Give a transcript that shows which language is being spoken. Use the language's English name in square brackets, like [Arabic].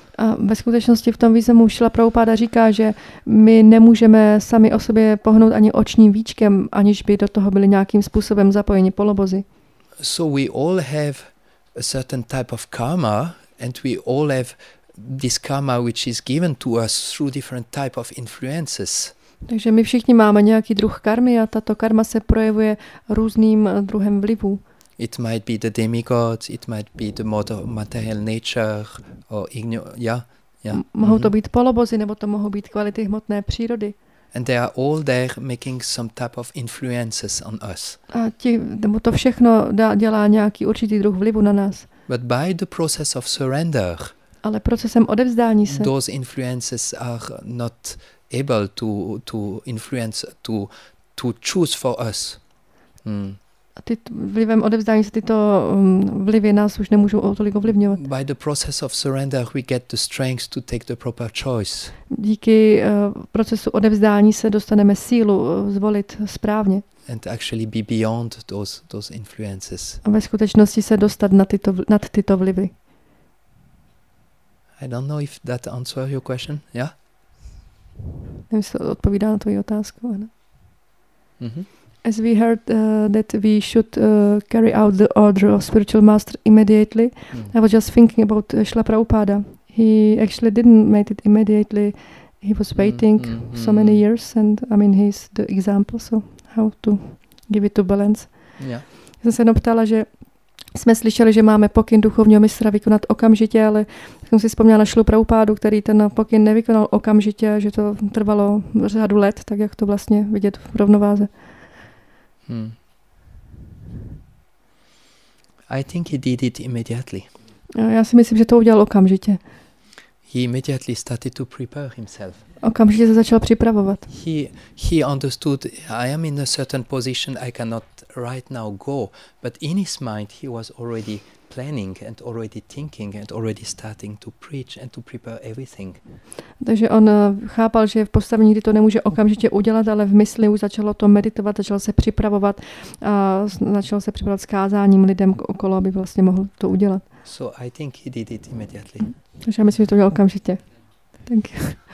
[Czech] A ve skutečnosti v tom významu Šila Prabhupáda říká, že my nemůžeme sami o sobě pohnout ani očním víčkem, aniž by do toho byli nějakým způsobem zapojeni polobozy. [English] So we all have a certain type of karma and we all have this karma which is given to us through different type of influences. [Czech] Takže my všichni máme nějaký druh karmy a tato karma se projevuje různým druhem vlivů. [English] It might be the demigods, it might be the material nature, or [Czech] mohou to být polobozy, nebo to mohou být kvality hmotné přírody. [English] And they are all there making some type of influences on us. [Czech] A ti, to všechno dělá nějaký určitý druh vlivu na nás. [English] But by the process of surrender, [Czech] ale procesem odevzdání se, [English] those influences are not able to influence, to choose for us. [Czech] A ty vlivem odevzdání se tyto vlivy nás už nemůžou tolik ovlivňovat. [English] By the process of surrender we get the strength to take the proper choice. [Czech] Díky procesu odevzdání se dostaneme sílu zvolit správně. [English] And actually be beyond those influences. [Czech] A ve skutečnosti se dostat nad tyto vlivy. [English] I don't know if that answers your question. Yeah? [Czech] Nevím, jestli to odpovídá na tvoji otázku. Ne? [English] As we heard that we should carry out the order of spiritual master immediately, I was just thinking about Śrīla Prabhupāda. He actually didn't make it immediately. He was waiting so many years, and I mean, he's the example, so how to give it to balance. Yeah. [Czech] Jsem se jenom ptala, že jsme slyšeli, že máme pokyn duchovního mistra vykonat okamžitě, ale jsem si vzpomněla na Śrīla Prabhupādu, který ten pokyn nevykonal okamžitě, že to trvalo řadu let, tak jak to vlastně vidět v rovnováze. [English] I think he did it immediately. [Czech] Já si myslím, že to udělal okamžitě. [English] He immediately started to prepare himself. [Czech] Okamžitě se začal připravovat. [English] He understood I am in a certain position, I cannot right now go, but in his mind he was already planning and already thinking and already starting to preach and to prepare everything. [Czech] Takže on chápal, že v postavení, kdy to nemůže okamžitě udělat, ale v mysli už začalo to meditovat, začal se připravovat a začal se připravovat s kázáním lidem okolo, aby vlastně mohl to udělat. [English] So I think he did it immediately. [Czech] Takže já myslím, že to udělal okamžitě. [English] Thank you.